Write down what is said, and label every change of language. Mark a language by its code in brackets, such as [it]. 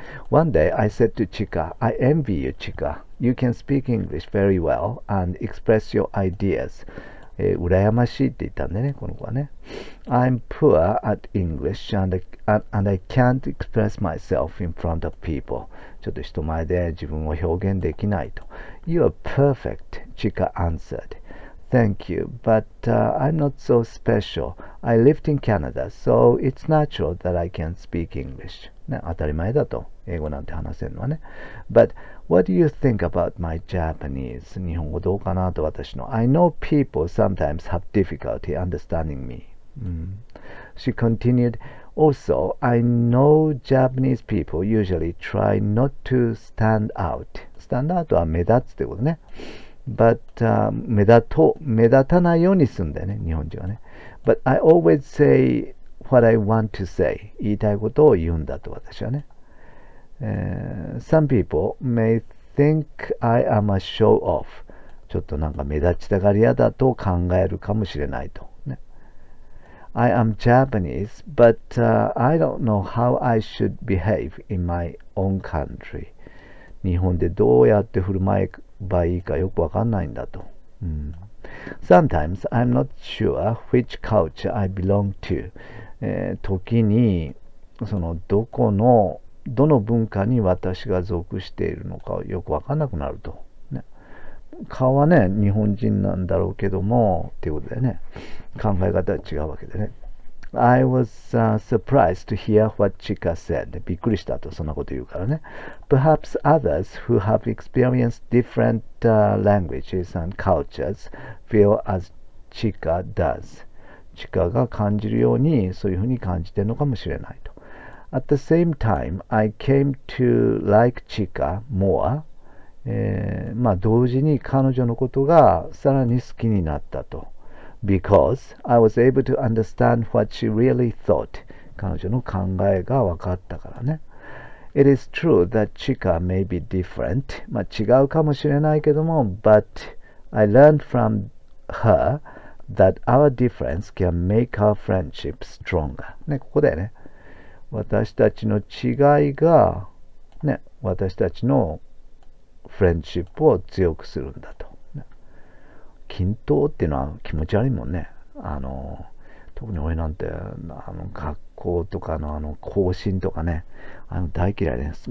[en] One day I said to Chika, I envy you, Chika. You can speak English very well and express your ideas. [ja] 羨ましいって言ったんだね、この子はね。 [en] I'm poor at English and I can't express myself in front of people. [ja] ちょっと人前で自分を表現できないと。 [en] You are perfect, Chika answered. Thank you, but I'm not so special. I lived in Canada, so it's natural that I can speak English. [ja] ね、当たり前だと。英語なんて話せるのはね。 [en] But what do you think about my Japanese? [ja] 日本語どうかなと私の。 [en] I know people sometimes have difficulty understanding me.、She continued, Also, I know Japanese people usually try not to stand out. [ja] Stand out は目立つってことね。 But、目立たないようにするんだよね、日本人はね。 [en] But I always say,What I want to say. [ja] 言いたいことを言うんだと私はね。 [en] Some people may think I am a show off. [ja] ちょっとなんか目立ちたがり屋だと考えるかもしれないと。 [en] ね、I am Japanese, but、I don't know how I should behave in my own country. [ja] 日本でどうやって振る舞えばいいかよくわかんないんだと。 [en] Sometimes I'm not sure which culture I belong to. [ja] 時にそのどこのどの文化に私が属しているのかよく分かんなくなると。顔はね、日本人なんだろうけども、っていうことでね、考え方は違うわけでね。 [en] I was surprised to hear what Chika said. [ja] びっくりしたと、そんなこと言うからね。 [en] Perhaps others who have experienced different languages and cultures feel as Chika does. [ja] Chika が感じるように、そういうふうに感じてるのかもしれないと。 [en] At the same time, I came to like Chika more. [ja] 同時に彼女のことがさらに好きになったと。 [en] Because I was able to understand what she really thought. [ja] 彼女の考えが分かったからね。 [en] It is true that Chika may be different. [ja] 違うかもしれないけども、 [en] But I learned from her that our difference can make our friendship stronger. [ja] ね、ここだよね。私たちの違いが、ね、私たちのフレンチップを強くするんだと。均等っていうのは気持ち悪いもんね。特に俺なんて、学校とかの行進とかね、大嫌いです。